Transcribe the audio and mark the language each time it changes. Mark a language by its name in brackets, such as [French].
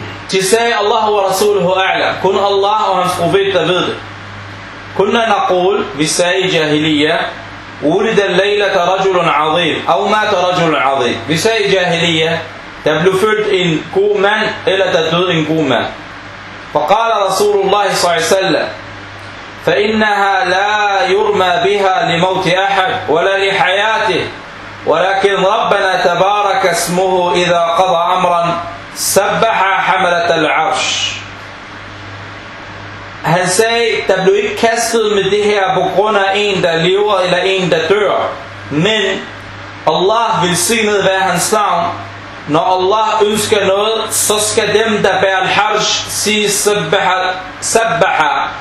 [Danish] De sagde, [Arabic] Allah wa Rasuluhu a'lam. [Danish] Kun Allah og hans profet, der ved det. [Arabic] Kunna naqul, [Danish] vi sagde i jahiliya, [Arabic] ulida al-laylata rajulun azim, aw mata rajulun azim. [Danish] Vi sagde i jahiliya, der blev født en god mand, eller der døde en god mand. [Arabic] فقال رسول الله صلى الله عليه وسلم فإنها لا يرمى بها لموت أحد ولا لحياته ولكن ربنا تبارك اسمه إذا قضى أمرا سبح حملة العرش. [Danish] Han sagde, der blev ikke kastet med det her på grund af en, der lever eller en, der dør. Men Allah vil signet være hans navn. Når Allah ønsker noget, så skal dem, der bærer al-harsh, sige sabbaha. Sabbaha.